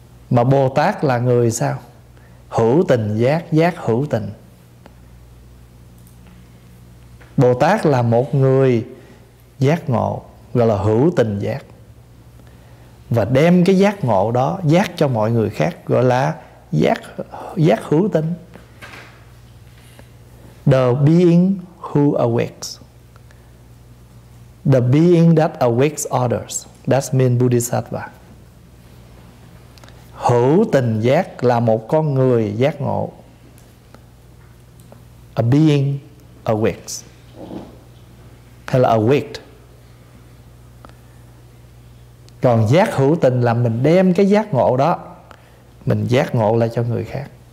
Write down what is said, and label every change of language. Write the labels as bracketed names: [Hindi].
[Vietnamese] Mà Bồ Tát là người sao? Hữu tình giác, giác hữu tình. Bồ Tát là một người giác ngộ, gọi là hữu tình giác, và đem cái giác ngộ đó giác cho mọi người khác, gọi là giác hữu tình. [English] The being who awakes, the being that awakes others, that's mean Bodhisattva. [Vietnamese] Hữu tình giác là một con người giác ngộ, [English] a being awakes, [Vietnamese] hay là awake. Còn giác hữu tình là mình đem cái giác ngộ đó mình giác ngộ lại cho người khác.